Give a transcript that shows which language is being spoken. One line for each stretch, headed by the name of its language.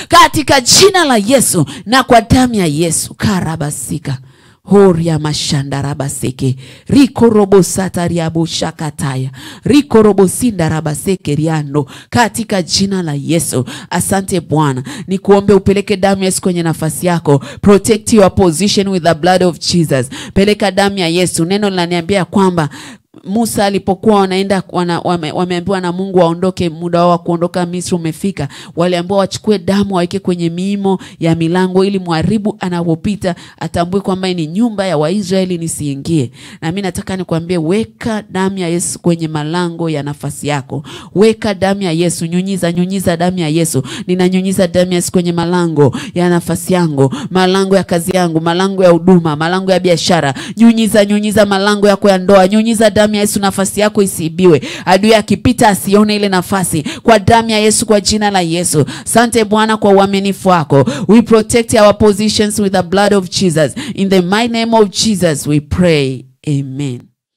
Swahili: Katika jina la Yesu na kwa damu ya Yesu. Karabasika. Horia mashanda rabaseke. Riko robo sata riabo shakataya. Riko robo sinda rabaseke riano. Katika jina la Yesu. Asante Bwana. Ni kuombe upeleke damu ya Yesu kwenye nafasi yako.
English: Protect your position with the blood of Jesus.
Swahili: Peleka damu ya Yesu. Neno linaniambia kwamba Musa alipokuwa wanaenda wameambiwa na Mungu waondoke, muda wao wa kuondoka Misri umefika. Waliambiwa wachukue damu waweke kwenye miimo ya milango ili mharibu anapopita atambue kwamba ni nyumba ya Waisraeli nisiingie. Na mimi nataka nikwambie, weka damu ya Yesu kwenye malango ya nafasi yako. Weka damu ya Yesu, nyunyiza damu ya Yesu. Ninanyunyiza damu ya Yesu kwenye malango ya nafasi yangu, malango ya kazi yangu, malango ya huduma, malango ya biashara. Nyunyiza malango yako ya ndoa. Nyunyiza damu ya Yesu, nafasi yako isibiwe. Adui akipita asione ile nafasi. Kwa damu ya Yesu, kwa jina la Yesu. Sante Bwana kwa uaminifu wako.
English: We protect our positions with the blood of Jesus. In the mighty name of Jesus we pray. Amen.